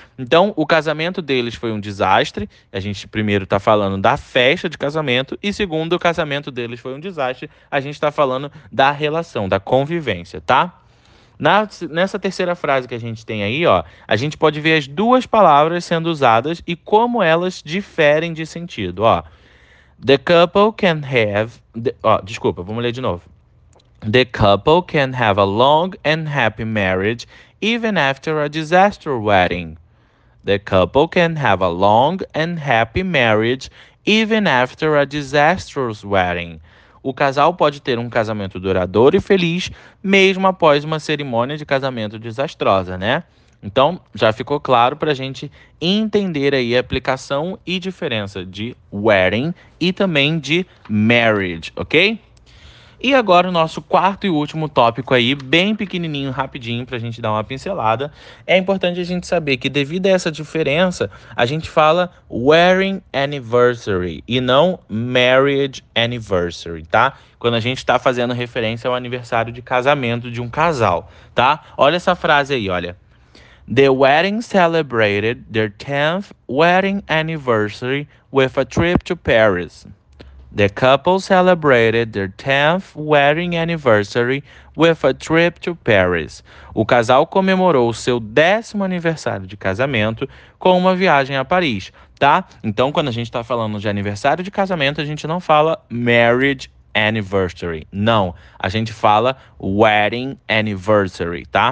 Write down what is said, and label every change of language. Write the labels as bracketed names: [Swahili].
[Portuguese] Então, o casamento deles foi um desastre. A gente primeiro está falando da festa de casamento e segundo, o casamento deles foi um desastre. A gente está falando da relação, da convivência, tá? Nessa terceira frase que a gente tem aí, ó, a gente pode ver as duas palavras sendo usadas e como elas diferem de sentido, ó. [English] The couple can have... [Portuguese] Desculpa, vamos ler de novo. [English] The couple can have a long and happy marriage even after a disaster wedding. The couple can have a long and happy marriage even after a disastrous wedding. [Portuguese] O casal pode ter um casamento duradouro e feliz mesmo após uma cerimônia de casamento desastrosa, né? Então, já ficou claro para a gente entender aí a aplicação e diferença de wedding e também de marriage, ok? E agora o nosso quarto e último tópico aí, bem pequenininho, rapidinho, para a gente dar uma pincelada. É importante a gente saber que devido a essa diferença, a gente fala wedding anniversary e não marriage anniversary, tá? Quando a gente está fazendo referência ao aniversário de casamento de um casal, tá? Olha essa frase aí, olha. [English] The wedding celebrated their 10th wedding anniversary with a trip to Paris. The couple celebrated their 10th wedding anniversary with a trip to Paris. [Portuguese] O casal comemorou o seu 10º aniversário de casamento com uma viagem a Paris, tá? Então, quando a gente tá falando de aniversário de casamento, a gente não fala marriage anniversary, não. A gente fala wedding anniversary, tá?